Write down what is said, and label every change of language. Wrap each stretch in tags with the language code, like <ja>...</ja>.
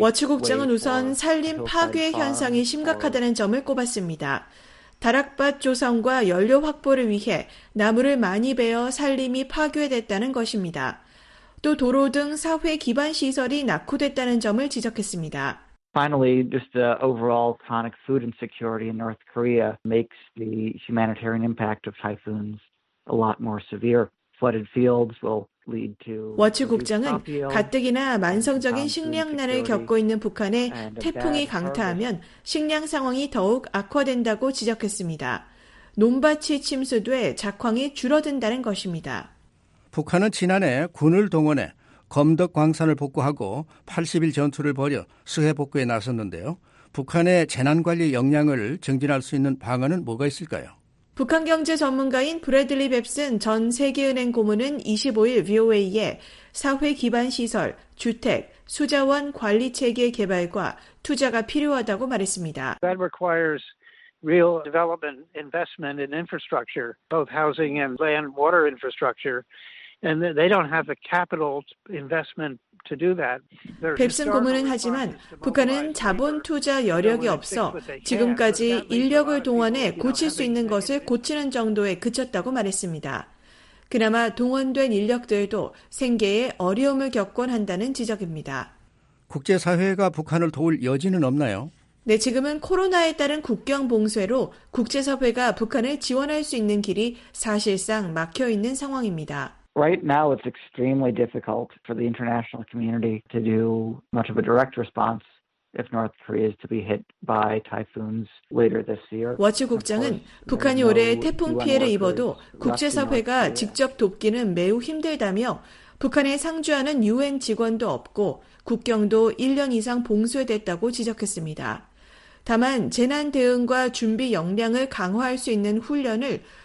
<ko>워츠 국장은 우선 산림 파괴 현상이 심각하다는 점을 꼽았습니다. 다락밭 조성과 연료 확보를 위해 나무를 많이 베어 산림이 파괴됐다는 것입니다. 또 도로 등 사회 기반 시설이 낙후됐다는 점을 지적했습니다.</ko> <en>Finally, just the overall chronic food insecurity in North Korea makes the humanitarian impact of typhoons a lot more severe. Flooded fields will lead to.</en> <ko>워츠 국장은 가뜩이나 만성적인 식량난을 겪고 있는 북한에 태풍이 강타하면 식량 상황이 더욱 악화된다고 지적했습니다. 논밭이 침수돼 작황이 줄어든다는 것입니다. 북한은 지난해 군을 동원해 검덕광산을 복구하고 80일 전투를 벌여 수해 복구에 나섰는데요. 북한의 재난관리 역량을 증진할 수 있는 방안은 뭐가 있을까요? 북한 경제 전문가인 브래들리 뱁슨 전 세계은행 고문은 25일 VOA에 사회 기반 시설, 주택, 수자원 관리 체계 개발과 투자가 필요하다고 말했습니다.</ko> <en>That requires real development investment in infrastructure, both housing and land water infrastructure. And they don't have the capital investment to do that.</en> <ko>뱁슨 고문은 하지만 북한은 자본 투자 여력이 없어 지금까지 인력을 동원해 고칠 수 있는 것을 고치는 정도에 그쳤다고 말했습니다. 그나마 동원된 인력들도 생계에 어려움을 겪곤 한다는 지적입니다. 국제사회가 북한을 도울 여지는 없나요? 네, 지금은 코로나에 따른 국경 봉쇄로 국제사회가 북한을 지원할 수 있는 길이 사실상 막혀 있는 상황입니다.</ko> <en>Right now, it's extremely difficult for the international community to do much of a direct response if North Korea is to be hit by typhoons later this year.</en> <ko>워츠 국장은 북한이 올해 태풍 피해를 입어도 국제사회가 직접 돕기는 매우 힘들다며 북한에 상주하는 UN 직원도 없고 국경도 1년 이상 봉쇄됐다고 지적했습니다. 다만 재난 대응과 준비 역량을 강화할 수 있는 훈련을</ko>